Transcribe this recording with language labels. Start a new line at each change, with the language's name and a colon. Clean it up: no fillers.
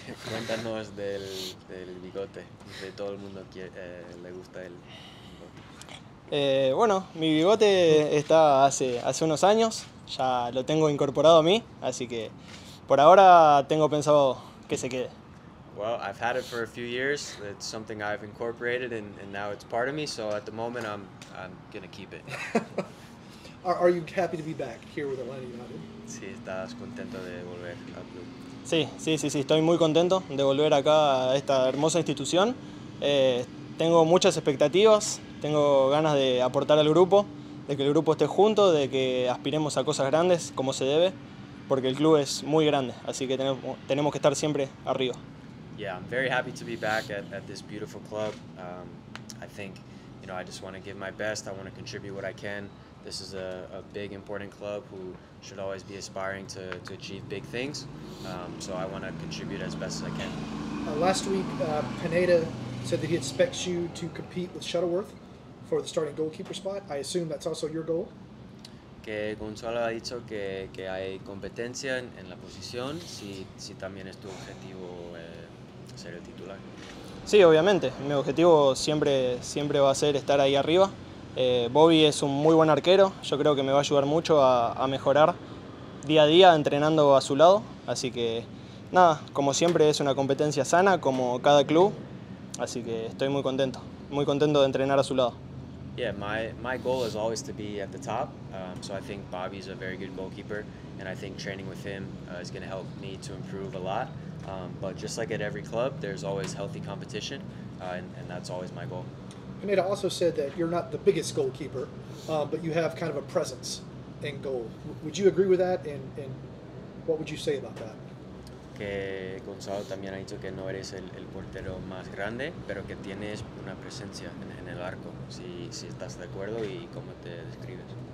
Spanish: Cuéntanos del bigote, de todo el mundo que le gusta el bigote. Bueno, mi bigote está hace unos años, ya lo tengo incorporado a mí, así que por ahora tengo pensado que se quede.
English: Well, I've had it for a few years, it's something I've incorporated and now it's part of me, so at the moment I'm gonna keep it. Are you happy to be back here with Atlanta United?
Spanish: Sí, estás contento de volver al club. Sí, estoy muy contento de volver acá a esta hermosa institución. Tengo muchas expectativas, tengo ganas de aportar al grupo, de que el grupo esté junto, de que aspiremos a cosas grandes como se debe, porque el club es muy grande, así que tenemos que estar siempre arriba.
English: Yeah, I'm very happy to be back at this beautiful club. I think, you know, I just want to give my best, I want to contribute what I can. This is a big, important club who should always be aspiring to achieve big things. So I want to contribute as best as I can. Last week, Pineda said that he expects you to compete with Shuttleworth for the starting goalkeeper spot. I assume that's also your goal.
Spanish: Que Gonzalo ha dicho que hay competencia en la posición. Si también es tu objetivo ser el titular. Sí, obviamente. Mi objetivo siempre va a ser estar ahí arriba. Bobby es un muy buen arquero, yo creo que me va a ayudar mucho a mejorar día a día entrenando a su lado, así que nada, como siempre es una competencia sana como cada club, así que estoy muy contento de entrenar a su lado.
English: Yeah, my goal is always to be at the top, so I think Bobby is a very good goalkeeper and I think training with him is going to help me to improve a lot, but just like at every club there's always healthy competition and that's always my goal. Pineda also said that you're not the biggest goalkeeper, but you have kind of a presence in goal. Would you agree with that? And what would you say about that?
Spanish: Que Gonzalo también ha dicho que no eres el portero más grande, pero que tienes una presencia en el arco. Si estás de acuerdo y cómo te describes.